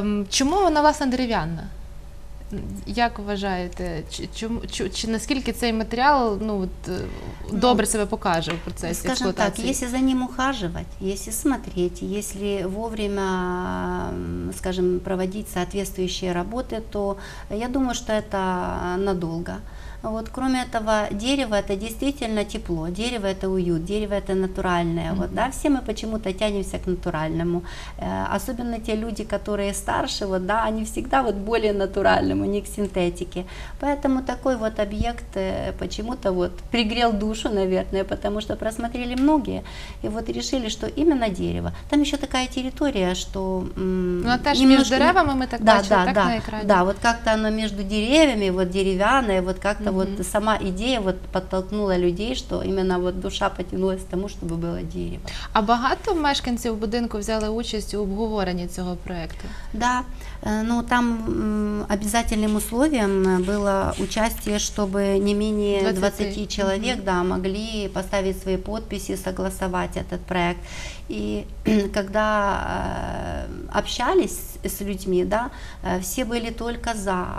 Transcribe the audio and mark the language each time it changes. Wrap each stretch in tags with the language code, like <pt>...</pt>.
<uk>Чому вона, власне, дерев'яна? Як вважаєте, чи наскільки цей матеріал добре себе покаже в процесі експлуатації?</uk> <ru>Скажем так,</ru> <uk>якщо за ним ухаживати, якщо</uk> <ru>смотреть,</ru> <uk>якщо вовремя, скажем, проводити відповідні роботи, то я думаю, що це надовго.</uk> <ru>Вот, кроме этого, дерево – это действительно тепло, дерево – это уют, дерево – это натуральное. Mm-hmm. Вот, да, все мы почему-то тянемся к натуральному. Особенно те люди, которые старше, вот, да, они всегда вот более натуральному, не к синтетике. Поэтому такой вот объект почему-то вот пригрел душу, наверное, потому что просмотрели многие и вот решили, что именно дерево. Там еще такая территория, что… Ну, это же немножко...</ru> <uk>между деревами мы так бачили,</uk> <ru>да, так, на экране? Да, вот как-то оно между деревьями, вот деревянное, вот как-то… Mm-hmm.</ru> <uk>Вот сама ідея вот підтолкнула людей, що іменно вот душа потягнулася тому, щоб було дерево. А багато мешканців будинку взяли участь у обговоренні цього проєкту?</uk> <ru>Да. Ну, там обязательным условием было участие, чтобы не менее 20 человек, mm-hmm. да, могли поставить свои подписи, согласовать этот проект. И когда общались с людьми, да, все были только за.</ru>